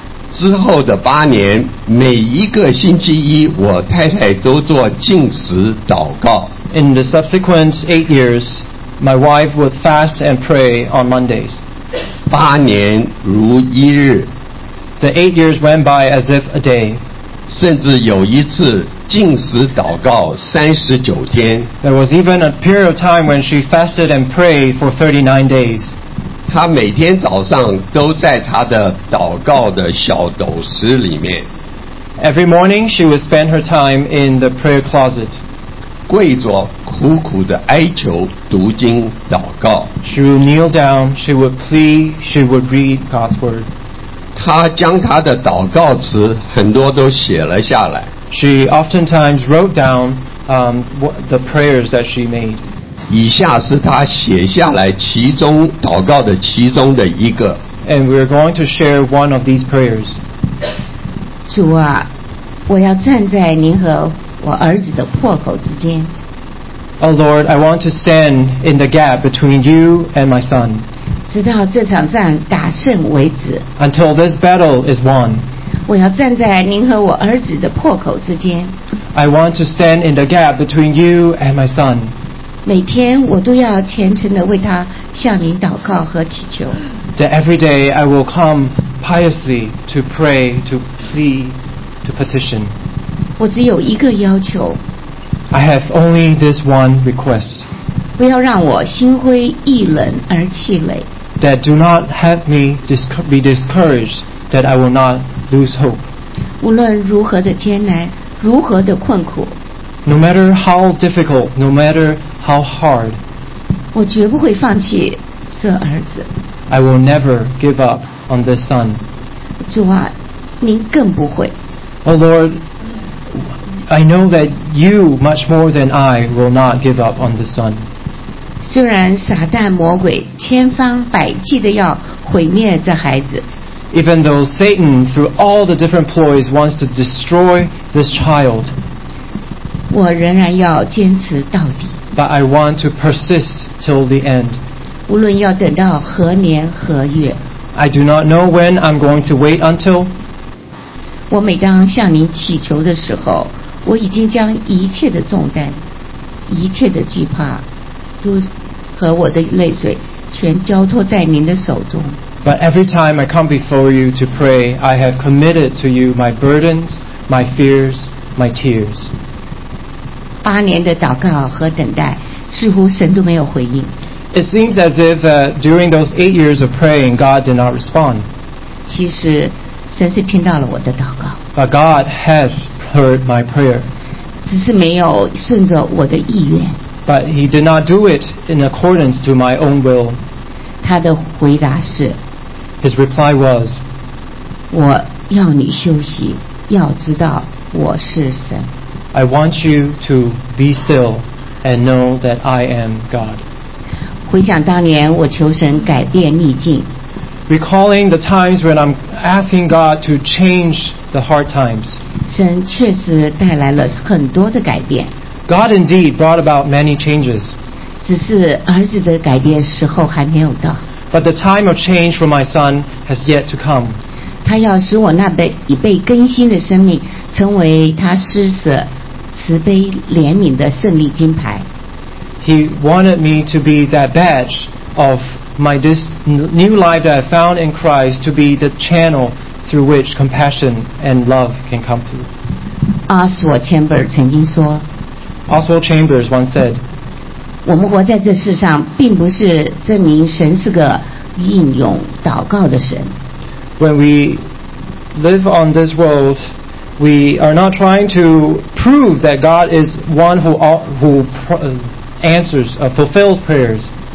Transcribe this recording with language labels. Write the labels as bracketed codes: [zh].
[zh] 之后的八年，每一个星期一，我太太都做禁食祷告。 [en] In the subsequent 8 years, my wife would fast and pray on Mondays. [zh] 八年如一日。 [en] The 8 years went by as if a day. [zh] 甚至有一次禁食祷告39天。 [en] There was even a period of time when she fasted and prayed for 39 days. [zh] 他每天早上都在他的祷告的小斗室里面。 [en] Every morning she would spend her time in the prayer closet. [zh] 跪着苦苦的哀求读经祷告。 [en] She would kneel down, she would plead, she would read God's word. [zh] 他将他的祷告词很多都写了下来。 [en] She oftentimes wrote down, the prayers that she made. [zh] 以下是他写下来其中祷告的其中的一个。 [en] And we're going to share one of these prayers. [zh] 主啊，我要站在您和我儿子的破口之间。 [en] Oh Lord, I want to stand in the gap between you and my son. [zh] 直到这场战打胜为止。 [en] Until this battle is won. [zh] 我要站在您和我儿子的破口之间。 [en] I want to stand in the gap between you and my son. [zh] 每天我都要虔诚地为他向您祷告和祈求。 [en] That every day I will come piously to pray, to plead, to petition. [zh] 我只有一个要求。 [en] I have only this one request. [zh] 不要让我心灰意冷而气馁。 [en] That do not have me be discouraged, that I will not lose hope. [zh] 无论如何的艰难，如何的困苦。 [en] No matter how difficult, no matter how hard, [zh] 我绝不会放弃这儿子。 [en] I will never give up on this son. [zh] 主啊，您更不会。 [en] Oh Lord, I know that you much more than I will not give up on this son. [zh] 虽然撒旦魔鬼千方百计地要毁灭这孩子。 [en] Even though Satan, through all the different ploys, wants to destroy this child, [zh] 我仍然要坚持到底。 [en] But I want to persist till the end. [zh] 无论要等到何年何月。 [en] I do not know when I'm going to wait until. [zh] 我每当向您祈求的时候，我已经将一切的重担、一切的惧怕，都和我的泪水全交托在您的手中。 [en] But every time I come before you to pray, I have committed to you my burdens, my fears, my tears. [zh] 八年的祷告和等待，似乎神都没有回应。 [en] It seems as if during those 8 years of praying, God did not respond. [zh] 其实，神是听到了我的祷告。 [en] But God has heard my prayer. [zh] 只是没有顺着我的意愿。 [en] But He did not do it in accordance to my own will. [zh] 他的回答是。 [en] His reply was. [zh] 我要你休息，要知道我是神。 [en] I want you to be still and know that I am God. [zh] 回想当年我求神改变逆境。 [en] Recalling the times when I'm asking God to change the hard times. [zh] 神确实带来了很多的改变。 [en] God indeed brought about many changes. [zh] 只是儿子的改变时候还没有到。 [en] But the time of change for my son has yet to come. [zh] 他要使我那被已被更新的生命成为他施舍慈悲怜悯的胜利金牌。 [en] He wanted me to be that badge of my this new life that I found in Christ to be the channel through which compassion and love can come through. [zh] Oswald Chambers 曾经说 [en] Oswald Chambers once said [zh] 我们活在这世上并不是证明神是个应允祷告的神。 [en] When we live on this world, we are not trying to prove that God is one who answers, fulfills prayers.